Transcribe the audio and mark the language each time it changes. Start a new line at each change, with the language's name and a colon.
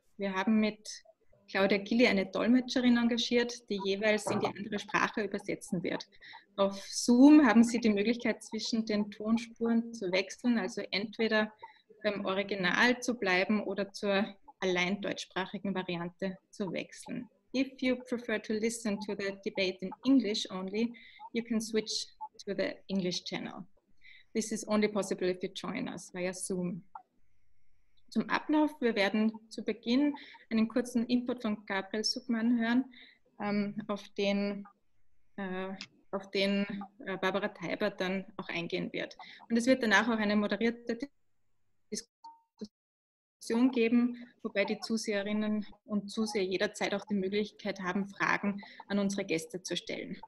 German: Wir haben mit Claudia Gilli eine Dolmetscherin engagiert, die jeweils in die andere Sprache übersetzen wird. Auf Zoom haben Sie die Möglichkeit, zwischen den Tonspuren zu wechseln, also entweder beim Original zu bleiben oder zur allein deutschsprachigen Variante zu wechseln.
English: If you prefer to listen to the debate in English only, you can switch to the English channel. This is only possible if you join us via Zoom.
German: Zum Ablauf. Wir werden zu Beginn einen kurzen Input von Gabriel Sückmann hören, auf den Barbara Taiber dann auch eingehen wird. Und es wird danach auch eine moderierte Diskussion geben, wobei die Zuseherinnen und Zuseher jederzeit auch die Möglichkeit haben, Fragen an unsere Gäste zu stellen.